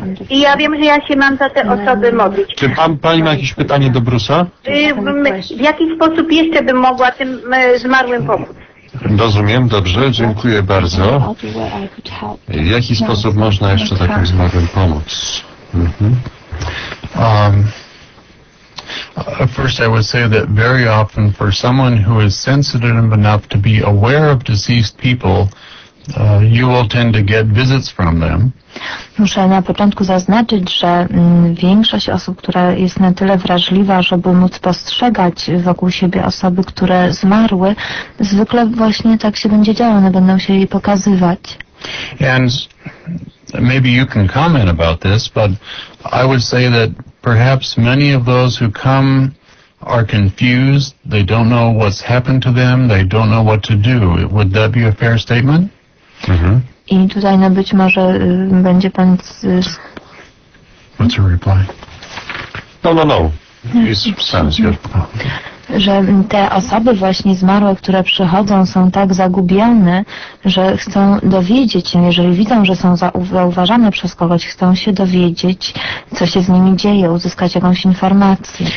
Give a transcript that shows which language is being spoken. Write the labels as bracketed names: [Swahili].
[Polish] I ja wiem, że ja się mam za te osoby modlić. Czy pani ma jakieś pytanie do Brusa? W jaki sposób jeszcze bym mogła tym zmarłym pomóc? Rozumiem, dobrze, dziękuję bardzo. W jaki sposób można jeszcze takim zmarłym pomóc? [English] First, I would say that very often for someone who is sensitive enough to be aware of deceased people, you will tend to get visits from them. [Polish] Muszę na początku zaznaczyć, że większość osób, która jest na tyle wrażliwa, żeby móc postrzegać wokół siebie osoby, które zmarły, zwykle właśnie tak się będzie działo, one będą się jej pokazywać. [English] And maybe you can comment about this, but I would say that perhaps many of those who come are confused. They don't know what's happened to them. They don't know what to do. Would that be a fair statement? [Polish] Mm-hmm. I tutaj no być może będzie pan [English] What's your reply? No. It's sounds good. [Polish] Że te osoby właśnie zmarłe, które przychodzą, są tak zagubione, że chcą dowiedzieć się, jeżeli widzą, że są zauważane przez kogoś, chcą się dowiedzieć, co się z nimi dzieje, uzyskać jakąś informację.